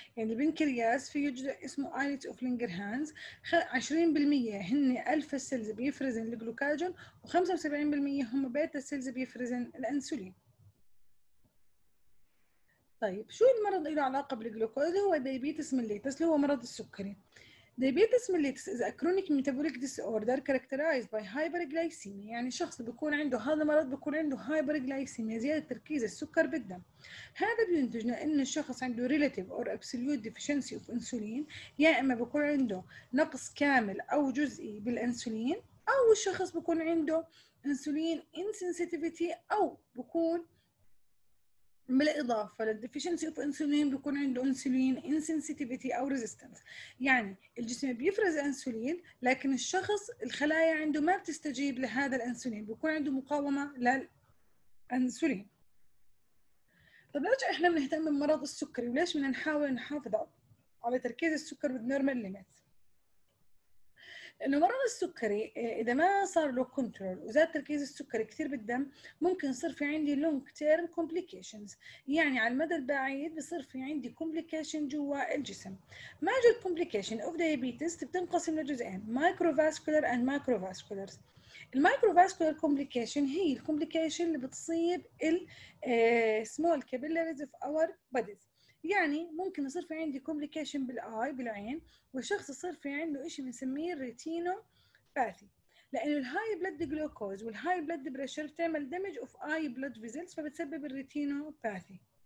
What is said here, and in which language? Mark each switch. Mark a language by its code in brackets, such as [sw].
[ar] يعني البنكرياس فيه جزء اسمه ايلت اوف لينجرهانز، 20% هن الفا سيلز بيفرزن الجلوكاجون و75% هم بيتا سيلز بيفرزن الانسولين. طيب شو المرض له علاقه بالجلوكوز؟ اللي هو دايبيتس ميليتس اللي هو مرض السكري. [en] Diabetes mellitus is a chronic metabolic disorder characterized by hyperglycemia. [ar] يعني شخص بيكون عنده هذا المرض بيكون عنده hyperglycemia، زيادة تركيز السكر بالدم. هذا بينتج لأن الشخص عنده [en] relative or absolute deficiency of insulin، [ar] يا إما بيكون عنده نقص كامل أو جزئي بالأنسولين، أو الشخص بيكون عنده [en] insulin insensitivity، [ar] أو بيكون بالإضافة للديفيشنسي اوف انسولين بيكون عنده انسولين انسنسيتيفيتي او ريزيستنس. يعني الجسم بيفرز انسولين لكن الشخص الخلايا عنده ما بتستجيب لهذا الانسولين، بيكون عنده مقاومة للانسولين. طب ليش احنا بنهتم بمرض السكري وليش بدنا نحاول نحافظ على تركيز السكر بالنورمال ليميت؟ لأنه مرض السكري إذا ما صار له كنترول وزاد تركيز السكري كثير بالدم ممكن يصير في عندي [en] long term complications. [ar] يعني على المدى البعيد بصير في عندي complication جوا الجسم. [en] major complication of diabetes [ar] بتنقسم لجزئين، [en] microvascular and macrovascular. [ar] المايكروفاسكولار كومبليكيشن هي الكومبليكيشن اللي بتصيب السمول كابيلاريز اوف اور بوديز. يعني ممكن يصير في عندي كومبليكيشن بالاي بالعين والشخص يصير في عنده شيء بنسميه الريتينو باثي، لانه الهاي بلد جلوكوز والهاي بلد بريشر بتعمل دامج اوف اي بلد فيزلز فبتسبب الريتينو باثي.